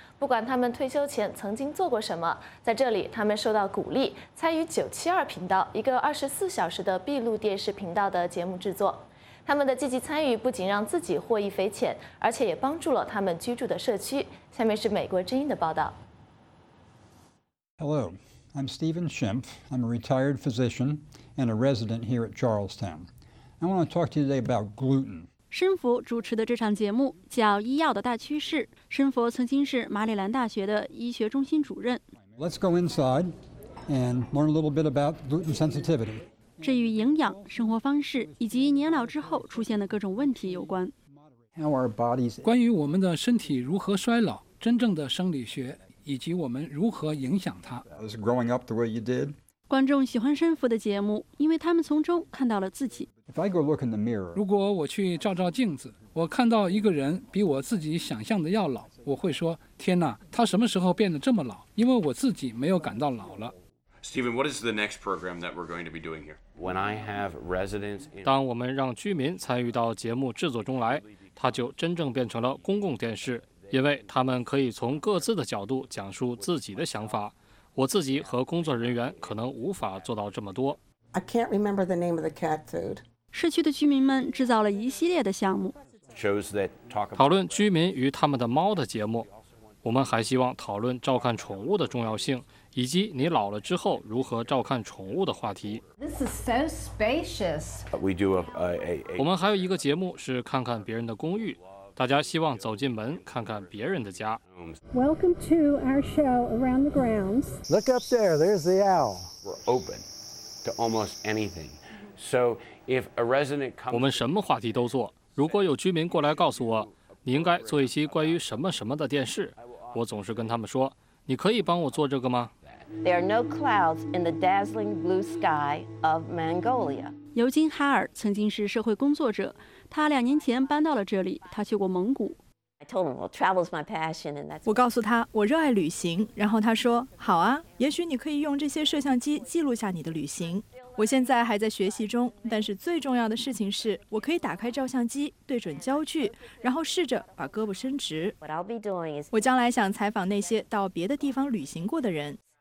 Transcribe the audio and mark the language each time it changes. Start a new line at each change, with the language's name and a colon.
Chinese: 不管他们退休前曾经做过什么，在这里他们受到鼓励，参与972频道一个24小时的闭路电视频道的节目制作。他们的积极参与不仅让自己获益匪浅，而且也帮助了他们居住的社区。下面是美国之音的报道。
English: Hello, I'm Stephen Schimpf. I'm a retired physician and a resident here at Charlestown. I want to talk to you today about gluten.
Chinese: 申佛主持的这场节目叫《医药的大趋势》。申佛曾经是马里兰大学的医学中心主任。
English: Let's go inside and learn a little bit about gluten sensitivity.
Chinese: 这与营养、生活方式以及年老之后出现的各种问题有关。关于我们的身体如何衰老，真正的生理学，以及我们如何影响它。
English: Growing up the way you did.
Chinese: 观众喜欢申福的节目，因为他们从中看到了自己。如果我去照照镜子，我看到一个人比我自己想象的要老，我会说，天哪，他什么时候变得这么老？因为我自己没有感到老了。
English: Stephen, what is the next program that we're going to be doing here? When I have residents,
Chinese: 当我们让居民参与到节目制作中来，它就真正变成了公共电视，因为他们可以从各自的角度讲述自己的想法。我自己和工作人员可能无法做到这么多。
English: I can't remember the name of the cat food.
Chinese: 市区的居民们制造了一系列的项目，讨论居民与他们的猫的节目。我们还希望讨论照看宠物的重要性，以及你老了之后如何照看宠物的话题。
English: This is so spacious. We do a.
Chinese: 我们还有一个节目是看看别人的公寓，大家希望走进门看看别人的家。
English: Welcome to our show Around the Grounds. Look up there. There's the owl. We're open to almost anything. So if a resident comes,
Chinese: 我们什么话题都做。如果有居民过来告诉我，你应该做一期关于什么什么的电视，我总是跟他们说，你可以帮我做这个吗？
English: There are no clouds in the dazzling blue sky of Mongolia.
Chinese: 尤金·哈尔曾经是社会工作者，他两年前搬到了这里，他去过蒙古。
English: I told him, well, travel's my passion, and that's.
Chinese: 我告诉他，我热爱旅行，然后他说，好啊，也许你可以用这些摄像机记录下你的旅行。我现在还在学习中，但是最重要的事情是我可以打开照相机对准焦距，然后试着把胳膊伸直。我将来想采访那些到别的地方旅行过的人。